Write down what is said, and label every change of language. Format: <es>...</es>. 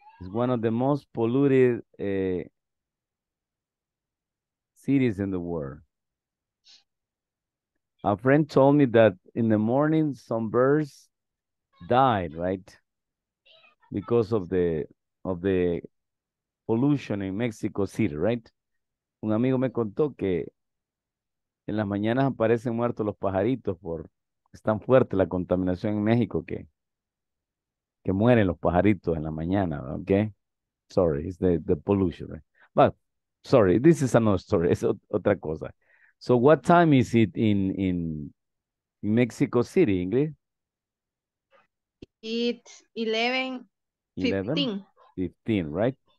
<en>It's one of the most polluted cities in the world. A friend told me that in the morning, some birds died, right? Because of the pollution in Mexico City, right?</en> <es>Un amigo me contó que en las mañanas aparecen muertos los pajaritos por... Es tan fuerte la contaminación en México que mueren los pajaritos en la mañana, ¿ok?</es> <en>Sorry, it's the pollution, right? But, sorry, this is another story.</en> <es>Es otra cosa.</es> <en>So what time is it in Mexico City, Ingrid? It's 11:15. 11:15, right?</en>